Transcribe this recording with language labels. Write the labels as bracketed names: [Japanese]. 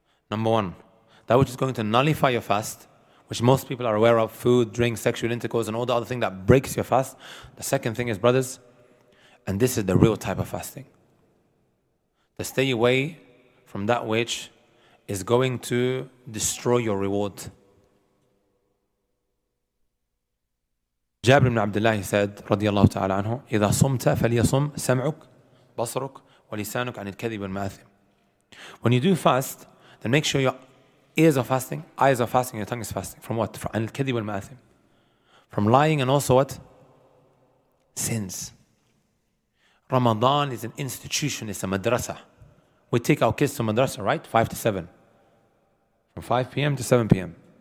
[English] Number one, that which is going to nullify your fast, which most people are aware of, food, drink, sexual intercourse, and all the other thing that breaks your fast. The second thing is, brothers, and this is the real type of fasting, to stay away from that which is going to destroy your reward. Jabir ibn Abdullah said, radiyallahu ta'ala anhu, [Arabic] إِذَا صُمْتَ فَلْيَصُمْ سَمْعُكْ بَصْرُكْ وَلِسَانُكْ عَنِ الْكَذِبِ وَالْمَآثِمِ. [English] When you do fast, then make sure your ears are fasting, eyes are fasting, your tongue is fasting. From what? [Arabic] عَنِ الْكَذِبِ وَالْمَآثِمِ. [English] From lying and also what? Sins. Ramadan is an institution, it's a madrasa. We take our kids to madrasa, right? 5 to 7. From 5 p.m. to 7 p.m.